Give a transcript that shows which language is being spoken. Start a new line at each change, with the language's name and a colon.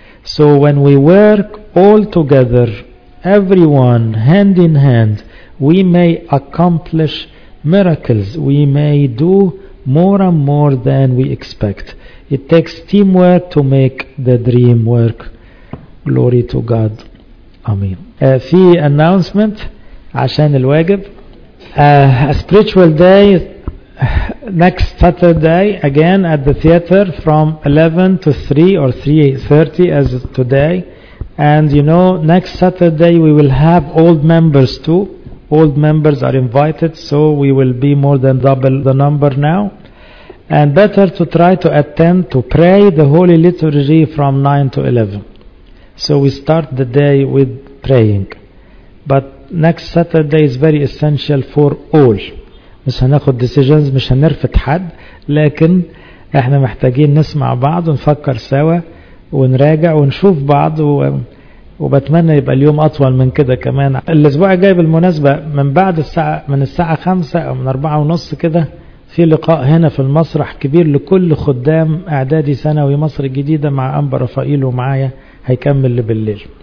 English: So when we work all together, everyone, hand in hand, we may accomplish miracles. We may do more and more than we expect. It takes teamwork to make the dream work. Glory to God. Amen. The announcement,
Arabic: عشان الواجب.
English: A spiritual day, next Saturday again at the theater from 11 to 3 or 3:30 as today. And you know, next Saturday we will have old members too. Old members are invited, so we will be more than double the number now. And better to try to attend to pray the Holy Liturgy from 9 to 11. So we start the day with praying. But next Saturday is very essential for all.
Arabic: مش هناخد decisions, مش هنرفض حد, لكن احنا محتاجين نسمع بعض ونفكر سوا ونراجع ونشوف بعض. وبتمنى يبقى اليوم اطول من كده كمان. الاسبوع الجاي بالمناسبة من بعد الساعة, من الساعة 5 او من 4:30 كده, في لقاء هنا في المسرح كبير لكل خدام اعدادي ثانوي مصر الجديدة مع انبا رفائيل ومعايا, هيكمل بالليل.